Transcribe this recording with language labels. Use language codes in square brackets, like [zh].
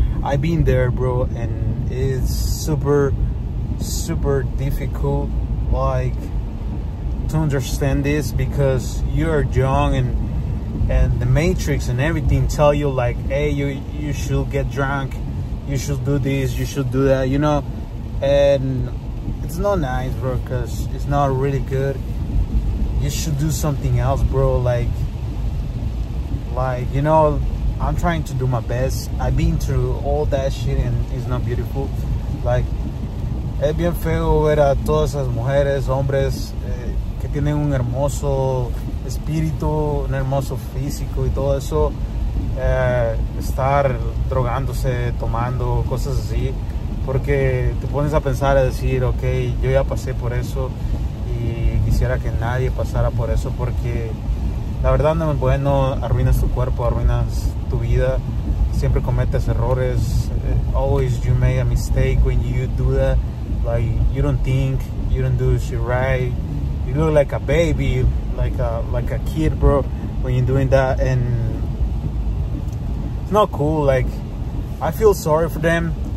[en] I've been there, bro, and it's super, super difficult, like, to understand this, because you're young and the matrix and everything tell you, like, hey, you should get drunk, you should do this, you should do that, you know. And it's not nice, bro, because it's not really good. You should do something else, bro. Like, you know, I'm trying to do my best. I've been through all that shit and it's not beautiful. [es] Like, es bien feo ver a todas esas mujeres, hombres, que tienen un hermoso espíritu, un hermoso físico y todo eso, estar drogándose, tomando, cosas así. Porque te pones a pensar, a decir, ok, yo ya pasé por eso y quisiera que nadie pasara por eso, porque la verdad no es bueno. Arruinas tu cuerpo, arruinas tu vida, siempre cometes errores. [en] Always you make a mistake when you do that. Like, you don't think, you don't do shit right. You look like a baby, like a kid, bro, when you're doing that. And it's not cool. Like, I feel sorry for them.